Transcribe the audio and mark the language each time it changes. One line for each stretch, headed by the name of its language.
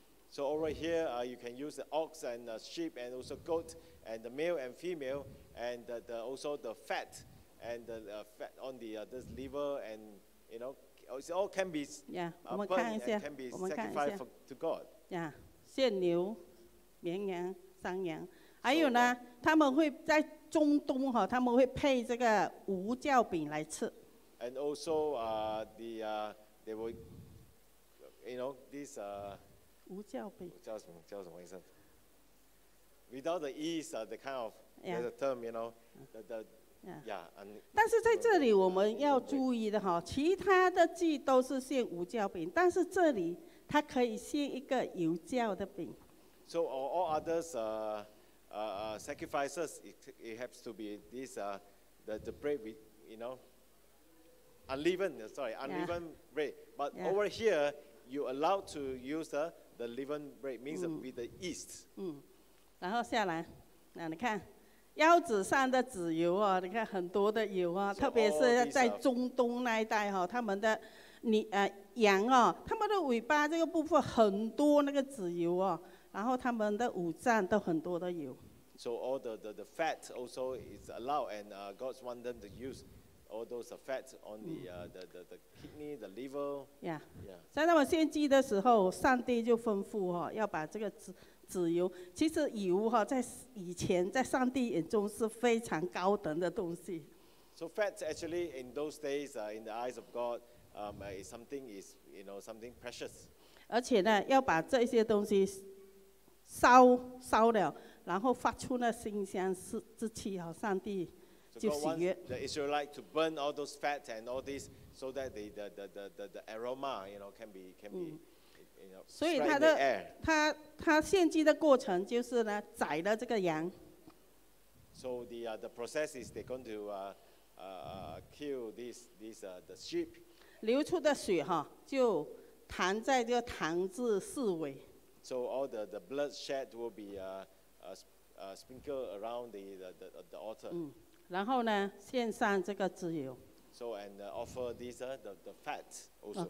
English: So over here, you can use the ox and the sheep and also goat and the male and female and the also the fat and the fat on the this liver and you know it all can be burned and can be sacrificed to God.
Chinese: Yeah, 献牛、绵羊、山羊，还有呢，他们会在中东哈，他们会配这个无酵饼来吃。
English: And also, they will, you know, this
Chinese: 无酵饼
English: 叫什么意思？Without the yeast, the kind of the term, you know, and
Chinese: 但是在这里我们要注意的哈，其他的祭都是献无酵饼，但是这里它可以献一个有酵的饼。
English: So all others sacrifices it has to be this the bread with you know unleavened bread, but over here you allowed to use the living bread means with the yeast.
Chinese: 然后下来，那你看，腰子上的脂油啊，你看很多的油啊，
English: so、
Chinese: 特别是在中东那一带哈，他们的你羊哦，他们的尾巴这个部分很多那个脂油哦，然后他们的五脏都很多的油。
English: So all the fat also is allowed, and God want them to use all those fat on the kidney, the liver. Yeah. Yeah.
Chinese: 在他们献祭的时候，上帝就吩咐哦，要把这个脂油，其实油哈、哦，在以前在上帝眼中是非常高等的东西。
English: So fat actually in those days, in the eyes of God, something is, you know, something precious.
Chinese: 而且呢，要把这些东西烧了，然后发出那馨香之气哦，上帝就喜悦。
English: So God wants the Israelite to burn all those fat and all this, so that the aroma, you know, can be.
Chinese: 所以他献祭的过程就是呢，宰了这个羊。
English: So the process is they're going to kill the sheep.
Chinese: 流出的血哈，就弹在这个坛子四围。
English: So all the blood shed will be sprinkled around the altar.
Chinese: 然后呢，献上这个脂油。
English: So and offer these the fat also.